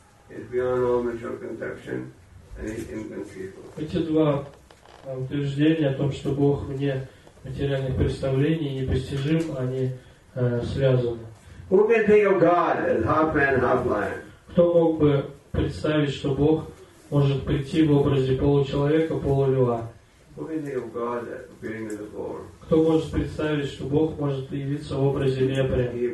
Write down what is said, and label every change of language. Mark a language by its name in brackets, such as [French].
[English] He's beyond all material conception, and he's inconceivable. [Russian] Эти два утверждения о том, что Бог вне материальных представлений, непостижим, они связаны. [English] Who can think of God as half man, half lion? [Russian] Кто мог бы представить, что Бог может прийти в образе получеловека, полулева? Кто может представить, что Бог может явиться в образе вепря?